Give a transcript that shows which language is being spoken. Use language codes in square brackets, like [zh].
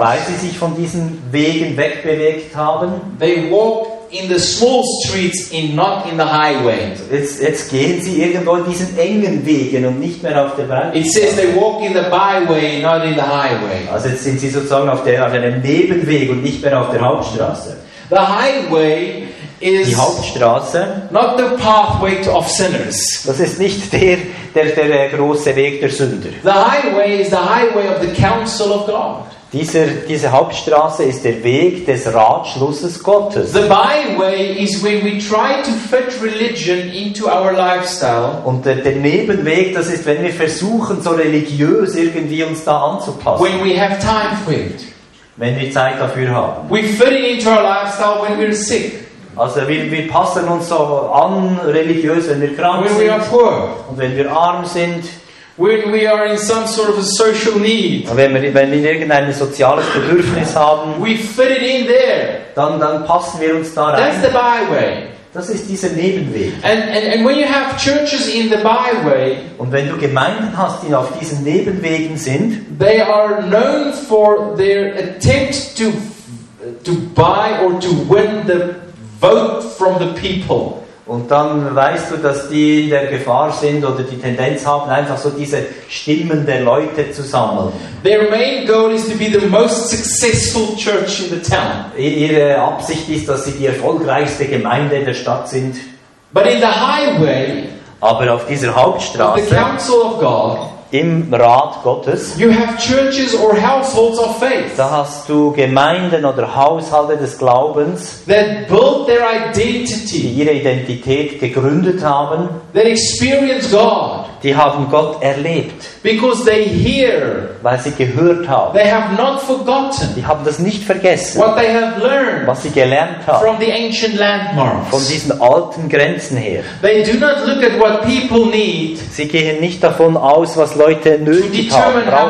[de] weil sie sich von diesen Wegen wegbewegt haben, [en] they walk in the small streets and not in the highway. [de] Jetzt gehen sie irgendwo in diesen engen Wegen und nicht mehr auf der Breite. [en] It says they walk in the byway, not in the highway. [de] Also jetzt sind sie sozusagen auf einem Nebenweg und nicht mehr auf der Hauptstraße. [en] The highway is [de] die Hauptstraße, [en] not the pathway of sinners. [de] Das ist nicht der große Weg der Sünder. [en] The highway is the highway of the counsel of God. [de] Diese Hauptstraße ist der Weg des Ratschlusses Gottes. [en] The byway is when we try to fit religion into our lifestyle. [de] Und der Nebenweg, das ist, wenn wir versuchen, so religiös irgendwie uns da anzupassen. [en] When we have time for it. [de] Wenn wir Zeit dafür haben. [en] We fit into our lifestyle when we're sick. [de] Also wir passen uns so an religiös, wenn wir krank [en] when [de] sind. [en] We are poor. [de] Und wenn wir arm sind. [en] When we are in some sort of a social need, [de] wenn wir irgendein soziales Bedürfnis haben, [en] we fit it in there. [de] Dann passen wir uns da rein. [en] That's the byway. [de] Das ist dieser Nebenweg. [en] And when you have churches in the byway, [de] und wenn du Gemeinden hast, die auf diesen Nebenwegen sind, [en] they are known for their attempt to buy or to win the vote from the people. [de] Und dann weißt du, dass die in der Gefahr sind oder die Tendenz haben, einfach so diese Stimmen der Leute zu sammeln. [en] Their main goal is to be the most successful church in the town. [de] Ihre Absicht ist, dass sie die erfolgreichste Gemeinde in der Stadt sind. [en] But in the highway, [de] aber auf dieser Hauptstraße, [en] the council of God, [de] im Rat Gottes, [en] you have churches or households of faith, [de] da hast du Gemeinden oder Haushalte des Glaubens, [en] that built their identity, [de] die ihre Identität gegründet haben, [en] that experience God, [de] die haben Gott erlebt, [en] because they hear, [de] weil sie gehört haben, [en] they have not forgotten, [de] die haben das nicht vergessen, [en] what they have learned, [de] was sie gelernt haben, [en] from the ancient landmarks, [de] von diesen alten Grenzen her. [en] They do not look at what people need, [de] sie gehen nicht davon aus, was Leute nötig haben,